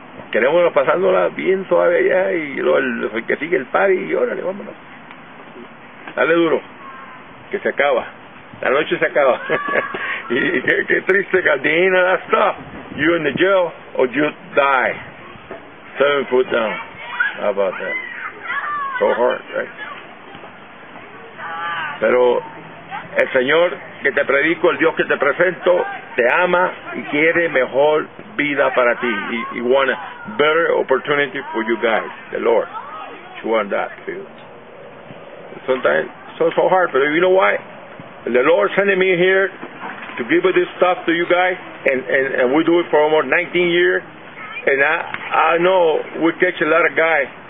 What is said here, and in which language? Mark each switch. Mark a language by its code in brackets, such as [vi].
[es] Queremos pasándola bien suave allá y lo que sigue el party y órale, vámonos. Dale duro. Que se acaba. La noche se acaba. Qué triste, que [en] at the end of that stuff, you in the jail or you die. 7 foot down. How about that? So hard, right? [es] Pero el Señor que te predico, el Dios que te presento, te ama y quiere mejor vida para ti. [en] He want a better opportunity for you guys, the Lord. You want that too. Sometimes so hard, but you know why? The Lord sending me here to give this stuff to you guys, and we do it for almost 19 years, and I know we catch a lot of guys.